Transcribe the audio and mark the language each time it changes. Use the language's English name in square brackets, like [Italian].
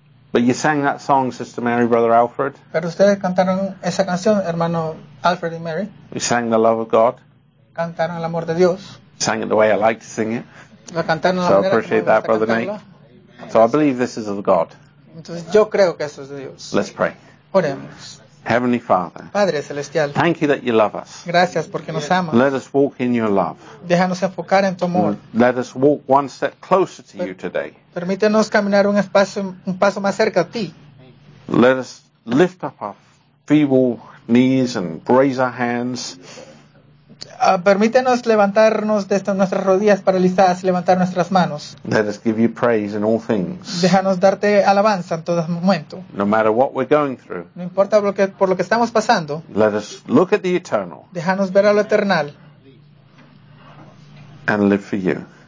[English] But you sang that song, Sister Mary, Brother Alfred. [Spanish] Pero ustedes cantaron esa canción, hermano Alfred y Mary. [English] We sang the love of God. [Spanish] Cantaron el amor de Dios. [English] Sang it the way I like to sing it. [Spanish] Lo cantaron [English] so I appreciate that, Brother Nate. So I believe this is of God. [Spanish] Entonces, yo creo que esto es de Dios. [English] Let's pray. [Spanish] Oremos. [English] Heavenly Father. [Spanish] Padre Celestial. [English] Thank you that you love us. [Spanish] Gracias porque nos amas. [English] Let us walk in your love. [Spanish] Déjanos enfocar en tu amor. [English] Let us walk one step closer to you today. [Spanish] Permítenos caminar un paso más cerca a ti. [English] Let us lift up our feeble knees and raise our hands. [Spanish] Permítenos levantarnos de nuestras rodillas paralizadas y levantar nuestras manos. [English] Let us give you praise in all things. [Spanish] Déjanos darte alabanza en todo momento. [English] No matter what we're going through. [Spanish] No importa por lo que estamos pasando. [English] Let us look at the eternal. [Spanish] Déjanos ver a lo eternal. [English] And live for you.